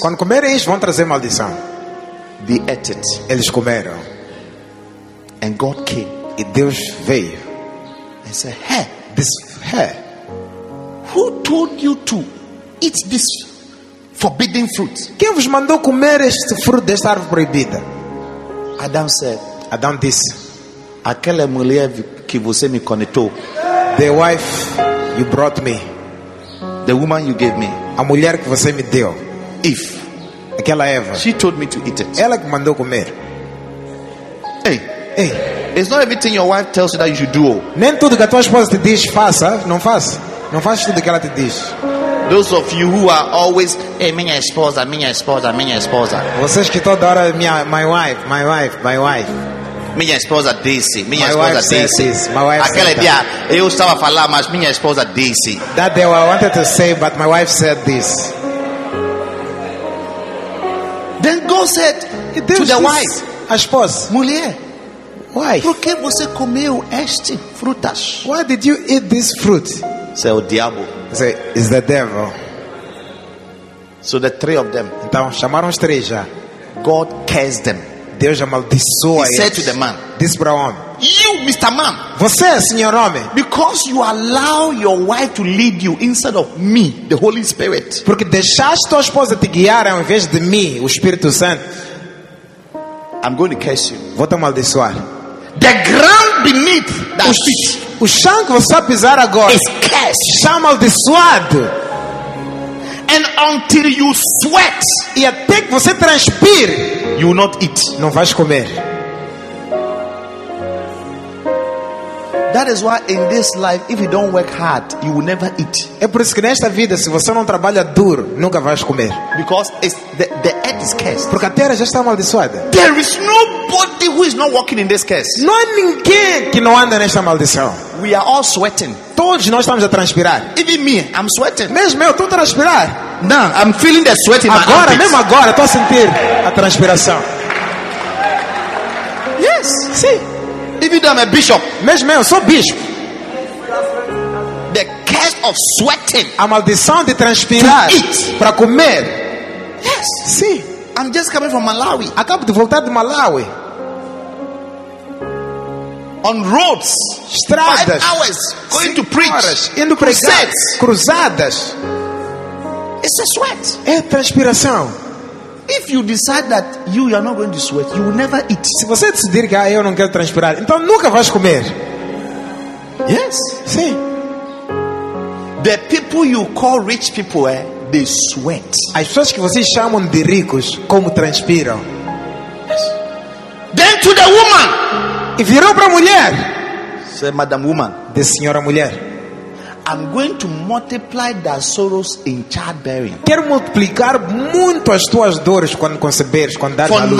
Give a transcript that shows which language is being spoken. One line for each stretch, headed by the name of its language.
Portuguese: Quando comerem isso, vão trazer maldição.
English: They ate it.
Portuguese: Eles comeram.
English: And God came.
Portuguese: E Deus veio.
English: And said, hey. This, hey. Who told you to eat this forbidden fruit?
Portuguese: Quem vos mandou comer este fruto desta árvore proibida?
English: Adam said.
Portuguese: Adam disse. Aquela mulher que você me conectou.
English: The wife you brought me. The woman you gave me.
Portuguese: A mulher que você me deu.
English: If.
Portuguese: Aquela Eva.
English: She told me to eat it.
Portuguese: Ela que mandou comer. Hey. Hey.
English: It's not everything your wife tells you that you should do.
Portuguese: Nem tudo que a tua esposa te diz, faça. Não faz. Não faz tudo que ela te diz.
English: Those of you who are always, hey,
Portuguese: minha esposa, minha esposa, minha esposa. Vocês que toda hora,
English: my wife, my wife, my wife.
Portuguese: Minha esposa disse, minha esposa disse.
English: My wife
Portuguese: aquela
English: said
Portuguese: dia,
English: that.
Portuguese: Eu estava a falar, mas minha esposa disse.
English: That day I wanted to say, but my wife said this. Then God said to the wife,
Portuguese: a esposa, mulher,
English: why?
Portuguese: Por que você comeu este frutas?
English: Why did you eat this fruit? Say,
Portuguese: o diabo.
English: Say, it's the devil. So the three of them.
Portuguese: Então chamaram os três já.
English: God cursed them.
Portuguese: Deus amaldiçoa eles.
English: He said to the man, this
Portuguese: para homem.
English: You, Mr. Man.
Portuguese: Você, senhor homem.
English: Because you allow your wife to lead you instead of me, the Holy Spirit.
Portuguese: Porque deixaste tua esposa te guiar ao invés de mim, o Espírito Santo.
English: I'm going to curse you.
Portuguese: Vou te amaldiçoar.
English: The ground beneath that feet.
Portuguese: O chão que você vai pisar agora.
English: Is cursed.
Portuguese: Chão amaldiçoado.
English: And until you sweat.
Portuguese: E até que você transpire.
English: You will not eat.
Portuguese: Não vais comer.
English: That is why in this life, if you don't work hard, you will never eat.
Portuguese: É por isso que nesta vida, se você não trabalha duro, nunca vais comer.
English: Because it's the earth is cursed.
Portuguese: Porque a terra já está amaldiçoada.
English: There is nobody who is not walking in this curse.
Portuguese: Não há ninguém que não anda nesta maldição.
English: We are all sweating.
Portuguese: Todos nós estamos a transpirar.
English: Even me, I'm sweating.
Portuguese: Mesmo eu estou a transpirar.
English: Now, I'm feeling the sweat in
Portuguese: agora,
English: my armpits.
Portuguese: Mesmo agora, estou a sentir a transpiração.
English: Yes.
Portuguese: Sim.
English: Even though I'm a bishop.
Portuguese: Mesmo eu sou bispo.
English: The curse of sweating.
Portuguese: A maldição de transpirar.
English: To eat.
Portuguese: Para comer.
English: Yes.
Portuguese: Sim.
English: I'm just coming from Malawi.
Portuguese: Acabo de voltar de Malawi.
English: On roads.
Portuguese: Estradas.
English: 5 hours. Going to preach.
Portuguese: Horas, indo pregar. Cruzadas.
English: It's a sweat.
Portuguese: É transpiração.
English: If you decide that you are not going to sweat, you will never eat.
Portuguese: Se você decidir que eu não quero transpirar, então nunca vais comer.
English: Yes.
Portuguese: Sim.
English: The people you call rich people, they sweat.
Portuguese: As pessoas que vocês chamam de ricos, como transpiram.
English: Yes. Then to the woman.
Portuguese: E virou para a mulher.
English: Say, madam woman.
Portuguese: De senhora mulher.
English: I'm going to multiply the sorrows in childbearing.
Portuguese: Quero multiplicar muito as tuas dores quando conceberes, quando dás à luz.